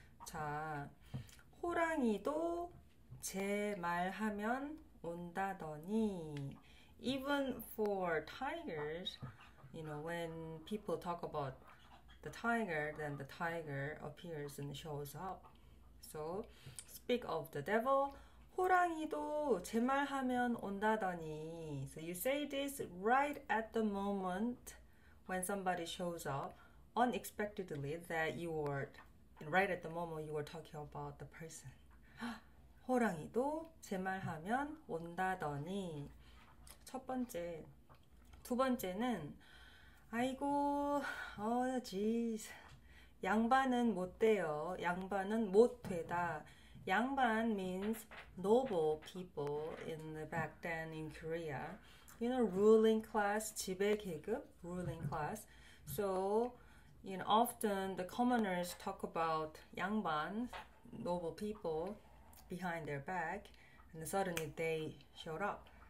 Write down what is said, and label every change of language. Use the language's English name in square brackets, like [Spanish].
[Korean] 자, 호랑이도 제 말하면 온다더니. [English] Even for tigers, you know, when people talk about the tiger, then the tiger appears and shows up. So, speak of the devil, [Korean] 호랑이도 제말 하면 온다더니. [English] So, you say this right at the moment when somebody shows up unexpectedly that you were, right at the moment you were talking about the person. [Korean] 호랑이도 제말 하면 온다더니. 첫 번째, 두 번째는 아이고, 지스, 양반은 못 돼요. 양반은 못 되다. [English] 양반 means noble people in the back then in Korea. You know, ruling class, [Korean] 지배 계급, [English] ruling class. So, you know, often the commoners talk about 양반, noble people behind their back, and suddenly they showed up.